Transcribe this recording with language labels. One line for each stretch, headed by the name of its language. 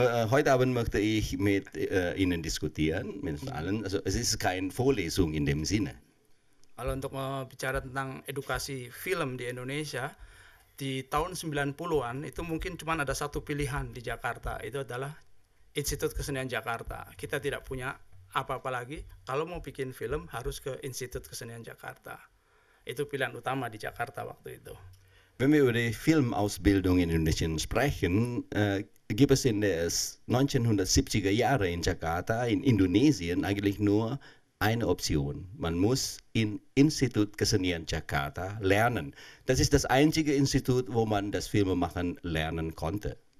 German: Heute Abend möchte ich mit Ihnen diskutieren, mit allen. Also es ist keine Vorlesung in dem Sinne.
Indonesian: Kalau untuk bicara tentang edukasi film di Indonesia, di tahun 90-an itu mungkin cuma ada satu pilihan di Jakarta, itu adalah Institut Kesenian Jakarta. Kita tidak punya apa-apa lagi, kalau mau bikin film harus ke Institut Kesenian Jakarta. Itu pilihan utama di Jakarta waktu itu.
German: Wenn wir über die Filmausbildung in Indonesien sprechen, gibt es in den 1970er Jahren in Jakarta, in Indonesien, eigentlich nur eine Option. Man muss im Institut Kesenian Jakarta lernen. Das ist das einzige Institut, wo man das Filmemachen lernen konnte.